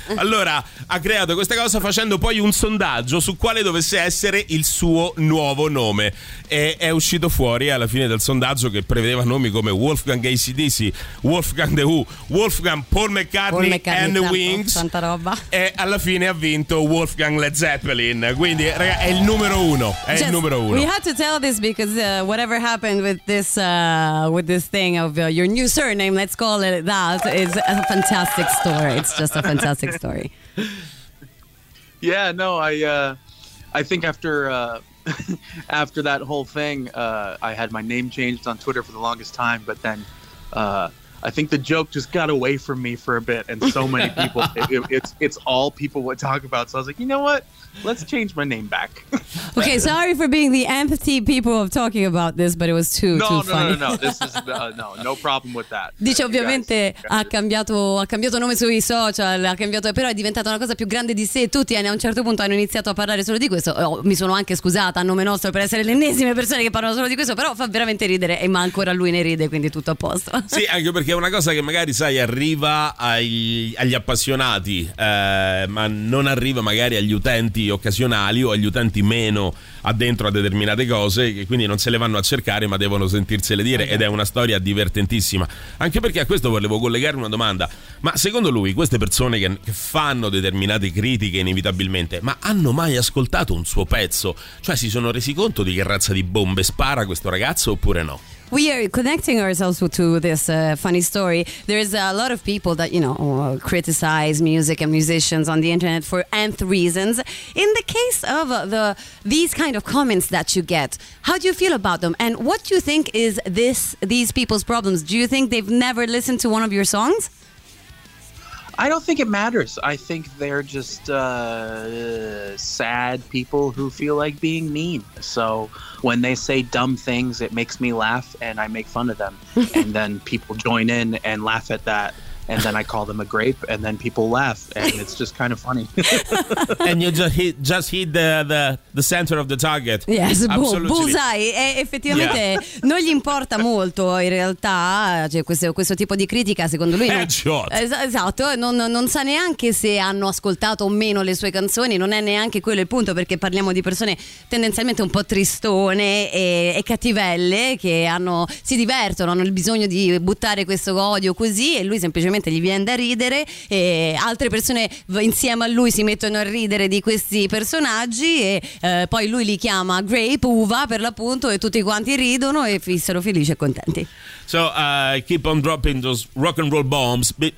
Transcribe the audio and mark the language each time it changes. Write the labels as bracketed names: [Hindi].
[Italian] Allora, ha creato questa cosa facendo poi un sondaggio su quale dovesse essere il suo nuovo nome, e è uscito fuori alla fine del sondaggio che prevedeva nomi come Wolfgang ACDC, Wolfgang The Who, Wolfgang Paul McCartney and tanto, [English] Wings, [Italian] tanta roba. E alla fine ha vinto Wolfgang Led Zeppelin, quindi raga, è il numero uno, è [English] just, [Italian] il numero uno. [English] We had to tell this because whatever happened with this thing of your new surname, let's call it that, is a fantastic story. It's just a fantastic story. Yeah, no, I think after after that whole thing, I had my name changed on Twitter for the longest time, but then I think the joke just got away from me for a bit, and so many people, it's all people would talk about, so I was like, you know what, let's change my name back. Okay, sorry for being the empathy people of talking about this, but it was too funny. No, this is no problem with that. [Italian] Dice, ovviamente, ha cambiato nome sui social, però è diventata una cosa più grande di sé. Tutti a un certo punto hanno iniziato a parlare solo di questo. Mi sono anche scusata a nome nostro per essere le ennesime persone che parlano solo di questo, però fa veramente ridere, ma ancora lui ne ride, quindi tutto a posto. Sì, anche perché è una cosa che magari, sai, arriva agli appassionati, ma non arriva magari agli utenti occasionali o agli utenti meno addentro a determinate cose, che quindi non se le vanno a cercare ma devono sentirsele dire, ed è una storia divertentissima. Anche perché a questo volevo collegare una domanda: ma secondo lui queste persone che fanno determinate critiche inevitabilmente, ma hanno mai ascoltato un suo pezzo? Cioè, si sono resi conto di che razza di bombe spara questo ragazzo oppure no? [English] we are connecting ourselves to this funny story. There is a lot of people that, you know, criticize music and musicians on the internet for nth reasons. In the case of these kind of comments that you get, how do you feel about them? And what do you think is these people's problems? Do you think they've never listened to one of your songs? I don't think it matters. I think they're just sad people who feel like being mean. So when they say dumb things, it makes me laugh and I make fun of them. And then people join in and laugh at that. And then I call them a grape and then people laugh. And it's just kind of funny. And you just hit the center of the target. Yes, bullseye. [Italian] Effettivamente non gli importa molto in realtà, cioè questo tipo di critica secondo lui. [English] Headshot. [Italian] Esatto, non sa neanche se hanno ascoltato o meno le sue canzoni. Non è neanche quello il punto, perché parliamo di persone tendenzialmente un po' tristone e cattivelle, che si divertono, hanno il bisogno di buttare questo odio così, e lui semplicemente gli viene da ridere, e altre persone insieme a lui si mettono a ridere di questi personaggi, e poi lui li chiama grape, uva per l'appunto, e tutti quanti ridono e fissero felici e contenti. [English] So keep on dropping those rock and roll bombs.